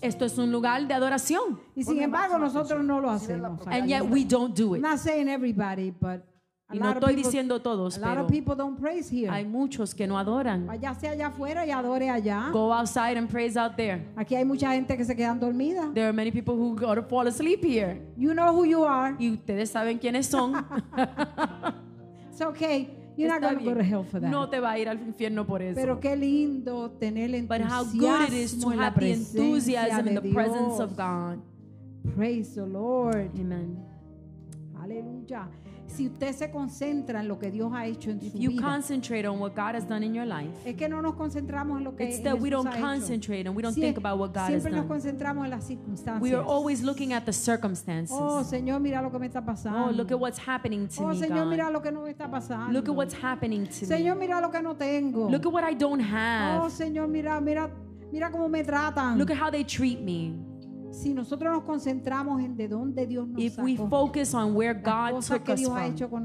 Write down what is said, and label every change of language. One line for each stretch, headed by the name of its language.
Spanish: Esto es un lugar de adoración. Y sin embargo, nosotros no lo hacemos.
English: And yet we don't do it. Not saying everybody, but
Spanish: y no estoy diciendo todos,
English: a lot of people don't praise here.
Spanish: Hay muchos que no adoran. Vaya hacia allá afuera y adore allá.
English: Go outside and praise out there.
Spanish: Aquí hay mucha gente que se quedan dormida.
English: There are many people who go to fall asleep here. You know who you are.
Spanish: Y ustedes saben quiénes son.
English: It's okay. You're
Spanish: está
English: not going to go to hell for that.
Spanish: No te va a ir al infierno por eso. Pero qué lindo tener el entusiasmo.
English: But how good it is to have the enthusiasm in the presence of God. Praise the Lord. Amen.
Spanish: Aleluya. Si usted se concentra en lo que Dios ha hecho en su vida,
English: if you concentrate on what God has done in your life,
Spanish: es que no nos concentramos en lo que
English: it's that
Spanish: Jesús
English: we don't concentrate and we don't si think about what God has done.
Spanish: Siempre nos concentramos en las circunstancias.
English: We are always looking at the circumstances.
Spanish: Oh Señor, mira lo que me está pasando.
English: Oh, look at what's happening to oh, me.
Spanish: Oh Señor,
English: God.
Spanish: Mira lo que no me está pasando.
English: Look at what's happening to
Spanish: Señor,
English: me.
Spanish: Señor, mira lo que no tengo.
English: Look at what I don't have.
Spanish: Oh Señor, mira cómo me tratan.
English: Look at how they treat me.
Spanish: Si nosotros nos concentramos en de dónde Dios nos sacó,
English: if we focus on where God took us from